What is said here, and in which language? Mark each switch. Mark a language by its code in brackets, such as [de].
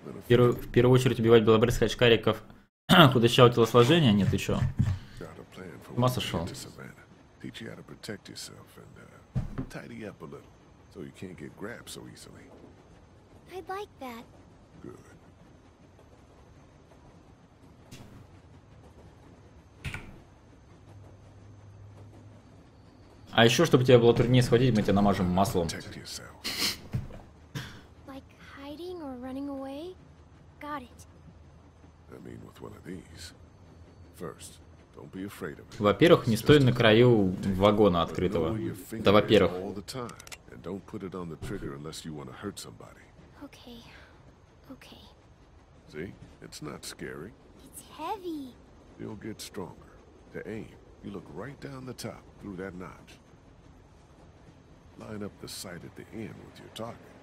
[ru] в первую очередь убивать белобрысых очкариков худощавого телосложения, нет, еще. Ума сошел. [en] Teach you how to protect yourself and tidy up a little, so you can't get grabbed so easily. I'd like that. Good. [ru] А еще, чтобы тебя было труднее схватить, мы тебя намажем маслом. [en] Like hiding or running away? Got it. I mean with one of these. First, don't be afraid of it. [ru] Во-первых, не стой на краю вагона открытого. Да, во-первых. [en] And don't put it on the trigger unless you want to hurt somebody. Okay. Okay. See? It's not scary. It's heavy. You'll get stronger. To aim, you look right down the top, through that notch. Line up the sight at the end with your target.